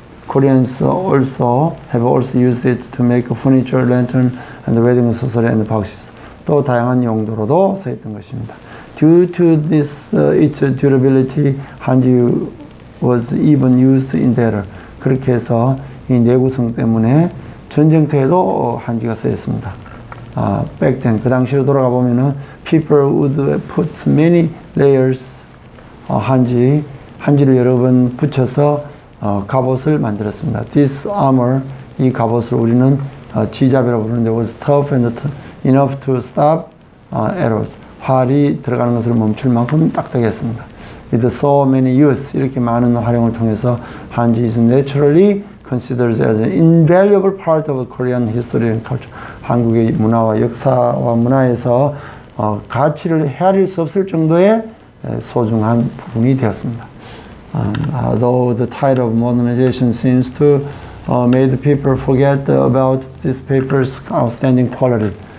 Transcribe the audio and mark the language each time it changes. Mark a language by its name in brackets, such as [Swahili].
[English] Koreans also have also used it to make furniture, lantern, and wedding accessories and boxes. [Korean] 또 다양한 용도로도 쓰였던 것입니다. [English] Due to this its durability, Hanji was even used in battle. [Korean] 그렇게 해서 이 내구성 때문에 전쟁터에도 한지가 쓰였습니다. [English] Back then, [Korean] 그 당시로 돌아가 보면은 [English] people would put many layers [Korean] 한지를 여러 번 붙여서 갑옷을 만들었습니다. [English] This armor, [Korean] 이 갑옷을 우리는 지잡이라고 부르는데 [English] was tough and enough to stop arrows. [Korean] 활이 들어가는 것을 멈출 만큼 딱딱했습니다. [English] With so many use, [Korean] 이렇게 많은 활용을 통해서 [English] 한지 is naturally considered as an invaluable part of Korean history and culture. [Korean] 한국의 문화와 역사와 문화에서 가치를 헤아릴 수 없을 정도의 소중한 부분이 되었습니다. [English] Although the tide of modernization seems to made people forget about this paper's outstanding quality.